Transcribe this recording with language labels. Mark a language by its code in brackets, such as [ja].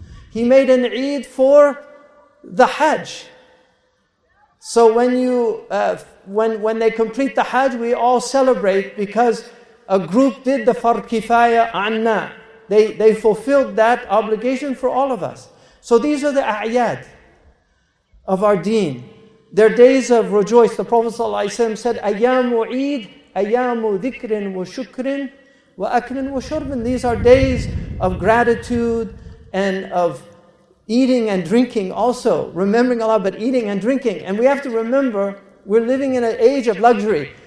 [en] He made an Eid for the Hajj. So when you when they complete the Hajj, we all celebrate because a group did the Fard Kifaya Anna. They fulfilled that obligation for all of us. So these are the A'yad. of our deen. Their days of rejoice, the Prophet ﷺ said, [ar] أَيَّامُ عِيد أَيَّامُ ذِكْرٍ وَشُكْرٍ وَأَكْلٍ وَشُرْبٍ. [en] These are days of gratitude and of eating and drinking also. Remembering Allah, but eating and drinking. And we have to remember, we're living in an age of luxury.